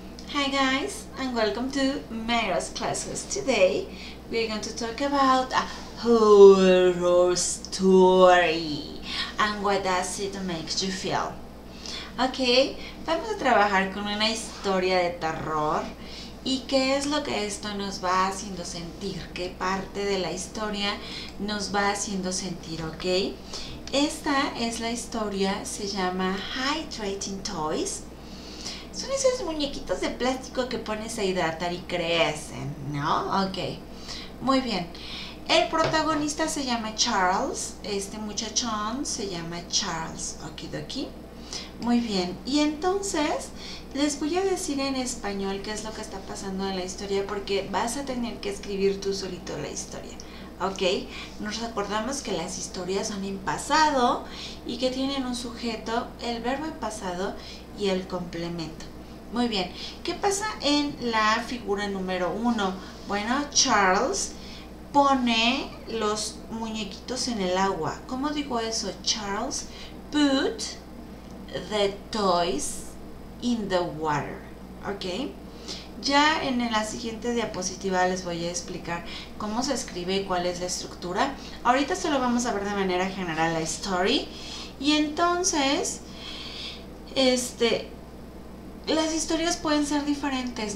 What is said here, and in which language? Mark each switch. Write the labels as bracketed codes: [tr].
[en] Hi guys, and welcome to Mayra's Classes. Today, we're going to talk about a horror story and what does it make you feel. [es] Okay, vamos a trabajar con una historia de terror y qué es lo que esto nos va haciendo sentir, qué parte de la historia nos va haciendo sentir, okay? Esta es la historia, se llama Hydrating Toys. Son esos muñequitos de plástico que pones a hidratar y crecen, ¿no? Ok, muy bien. El protagonista se llama Charles, este muchachón se llama Charles, okidoki. Muy bien, y entonces les voy a decir en español qué es lo que está pasando en la historia porque vas a tener que escribir tú solito la historia. Ok, nos acordamos que las historias son en pasado y que tienen un sujeto, el verbo en pasado y el complemento. Muy bien, ¿qué pasa en la figura número uno? Bueno, Charles pone los muñequitos en el agua. ¿Cómo digo eso? [en] Charles put the toys in the water. [es] Ok. Ya en la siguiente diapositiva les voy a explicar cómo se escribe y cuál es la estructura. Ahorita solo vamos a ver de manera general la story. Y entonces, las historias pueden ser diferentes.